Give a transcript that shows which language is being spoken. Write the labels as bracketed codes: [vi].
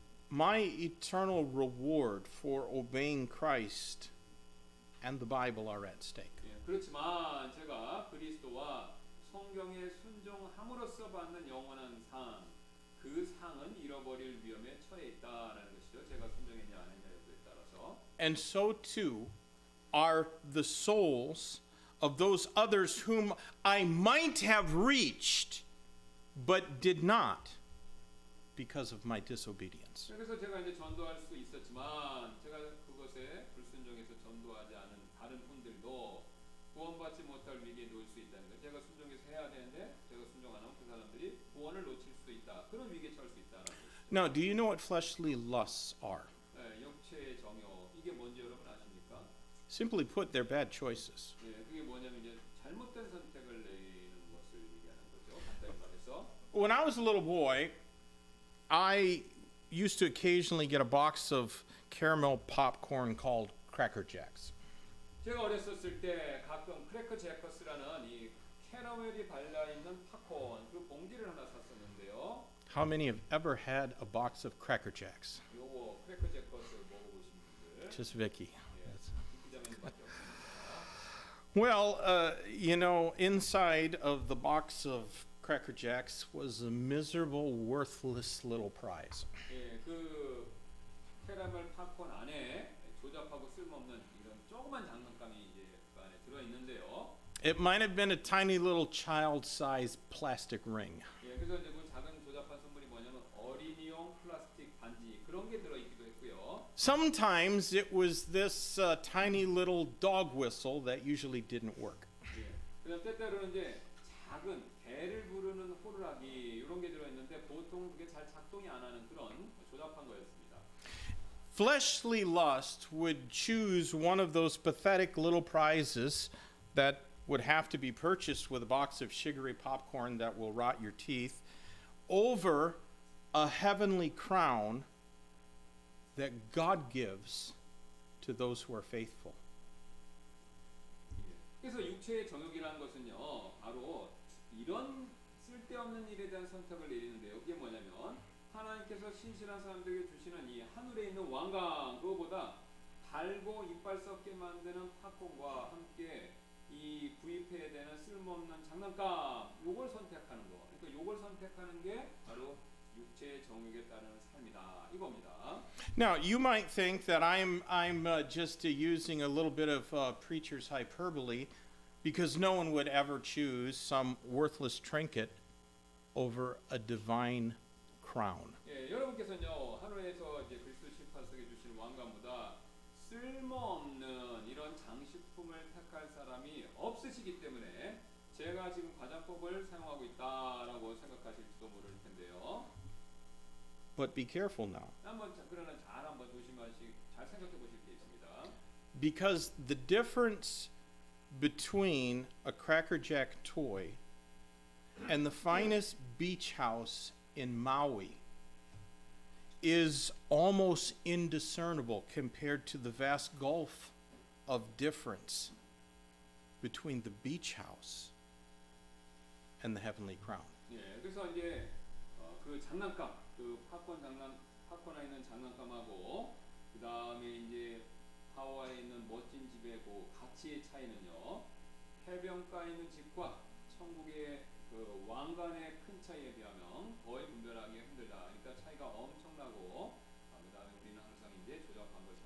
[en] My eternal reward for obeying Christ and the Bible are at stake. [ko] 예, 그렇지만 제가 그리스도와 성경에 순종함으로써 받는 영원한 상, 그 상은 잃어버릴 위험에 처해 있다라는 것이죠. 제가 순종했냐 안 했냐에 따라서. [en] And so too are the souls of those others whom I might have reached but did not. Because of my disobedience. [ko] 그래서 제가 이제 전도할 수 있었지만 제가 그것에 불순종해서 전도하지 않은 다른 분들도 구원받지 못할 위기에 놓일 수 있다는 거. 제가 순종해서 해야 되는데 제가 순종 안 하면 그 사람들이 구원을 놓칠 수 있다. 그런 위기에 처할 수 있다는 거. [en] Now, do you know what fleshly lusts are? [ko] 네, 육체의 정욕 이게 뭔지 여러분 아십니까? [en] Simply put, they're bad choices. [ko] 네, 그게 뭐냐면 이제 잘못된 선택을 내리는 것을 얘기하는 거죠. 간단히 말해서. [en] When I was a little boy. I used to occasionally get a box of caramel popcorn called Cracker Jacks. [ko] 제가 어렸을 때 가끔 크래커 제커스라는 이 캐러멜이 발라 있는 팝콘 그 봉지를 하나 샀었는데요. [en] How many have ever had a box of Cracker Jacks? [ko] 요거 크래커 제커스 먹어보신 분들? [en] Just Vicky. Well, you know, inside of the box of Cracker Jacks was a miserable, worthless little prize. [ko] 예, 그 캐러멜 팝콘 안에 조잡하고 쓸모없는 이런 조그만 장난감이 이제 그 안에 들어 있는데요. [en] It might have been a tiny little child-sized plastic ring. [ko] 예, 그래서 이제 그 작은 조잡한 선물이 뭐냐면 어린이용 플라스틱 반지 그런 게 들어 있기도 했고요. [en] Sometimes it was this tiny little dog whistle that usually didn't work. [ko] 예, 그래서 때때로는 이제 작은 애를 부르는 호루라기 이런 게 들어 있는데 보통 그게 잘 작동이 안 하는 그런 조잡한 거였습니다. [en] Fleshly lust would choose one of those pathetic little prizes that would have to be purchased with a box of sugary popcorn that will rot your teeth over a heavenly crown that God gives to those who are faithful. [ko] 그래서 육체의 정욕이라는 것은요, 바로 이런 쓸데없는 일에 대한 선택을 내리는데요. 그게 뭐냐면 하나님께서 신실한 사람들에게 주시는 이 하늘에 있는 왕관 그거보다 달고 이빨 썩게 만드는 팝콘과 함께 이 구입해야 되는 쓸모없는 장난감 요걸 선택하는 거. 그러니까 요걸 선택하는 게 바로 육체의 정욕에 따른 삶이다. 이겁니다. [en] Now, you might think that I'm just using a little bit of preacher's hyperbole. Because no one would ever choose some worthless trinket over a divine crown. [ko] 예, 여러분께서요 하루에서 이제 그리스도 십자가 속에 주신 왕관보다 쓸모없는 이런 장식품을 택할 사람이 없으시기 때문에 제가 지금 과장법을 사용하고 있다라고 생각하실지도 모를 텐데요. [en] But be careful now. [ko] 한번 그러나 잘 한번 조심하시고 잘 생각해 보실 게 있습니다. [en] Because the difference. Between a Cracker Jack toy and the finest beach house in Maui is almost indiscernible compared to the vast gulf of difference between the beach house and the heavenly crown. [ko] 예, 그래서 이제 그 장난감, 그 팝콘 장난, 팝콘에 있는 장난감하고 그 다음에 이제 하와이에 있는 멋진 집의 그 가치의 차이는요. 해변가에 있는 집과 천국의 그 왕관의 큰 차이에 비하면 거의 분별하기 힘들다. 그러니까 차이가 엄청나고 그다음에 우리는 항상 이제 조작합니다.